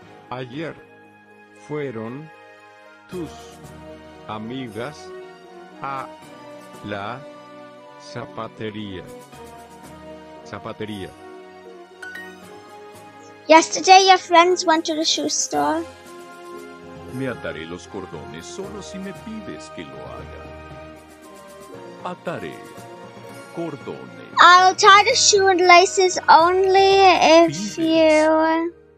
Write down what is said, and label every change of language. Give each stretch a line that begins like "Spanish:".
Spanish: Ayer fueron tus amigas a la zapatería. Zapatería.
English: Yesterday your friends went to the shoe store.
Spanish: Me ataré los cordones solo si me pides que lo haga. Ataré cordones.
English: I'll tie the shoe and laces only if you